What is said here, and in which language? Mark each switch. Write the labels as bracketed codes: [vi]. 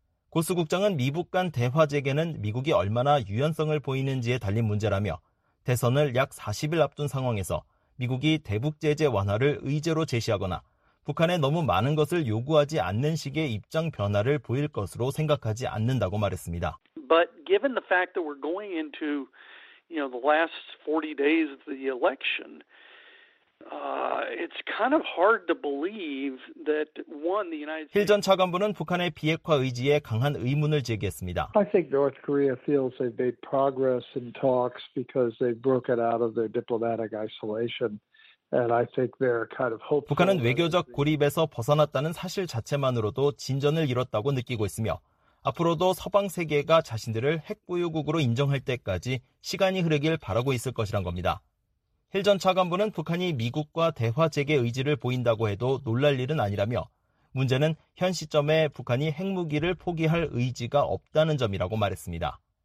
[ko] 고스 국장은 미북 간 대화 재개는 미국이 얼마나 유연성을 보이는지에 달린 문제라며 대선을 약 40일 앞둔 상황에서 미국이 대북 제재 완화를 의제로 제시하거나 북한에 너무 많은 것을 요구하지 않는 식의 입장 변화를 보일 것으로 생각하지 않는다고 말했습니다. [en] But given the fact that we're going into the last 40 days of the election, it's kind of hard to believe that one the United States. [ko] 힐 전 차관보는 북한의 비핵화 의지에 강한 의문을 제기했습니다. [en] I think North Korea feels they've made progress in talks because they've broken out of their diplomatic isolation, and I think they're kind of hopeful. [ko] 북한은 외교적 고립에서 벗어났다는 사실 자체만으로도 진전을 이뤘다고 느끼고 있으며. 앞으로도 서방 세계가 자신들을 핵보유국으로 인정할 때까지 시간이 흐르길 바라고 있을 것이란 겁니다. 힐 전 차관보는 북한이 미국과 대화 재개 의지를 보인다고 해도 놀랄 일은 아니라며 문제는 현 시점에 북한이 핵무기를 포기할 의지가 없다는 점이라고 말했습니다.